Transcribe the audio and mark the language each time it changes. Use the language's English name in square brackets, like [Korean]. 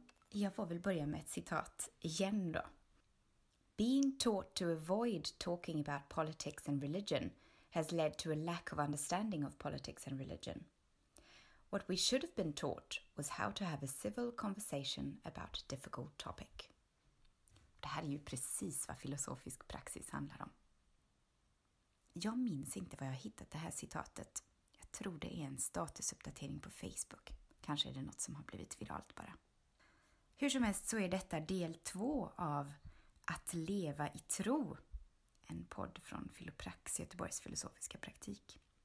[Swedish] Jag får väl börja med ett citat igen då. [English] Being taught to avoid talking about politics and religion has led to a lack of understanding of politics and religion. What we should have been taught was how to have a civil conversation about a difficult topic. [Swedish] Det här är ju precis vad filosofisk praxis handlar om. Jag minns inte var jag hittat det här citatet. Jag tror det är en statusuppdatering på Facebook. Kanske är det något som har blivit viralt bara. Hur som helst så är detta del två av Att leva i tro, en podd från Filoprax, Göteborgs filosofiska praktik.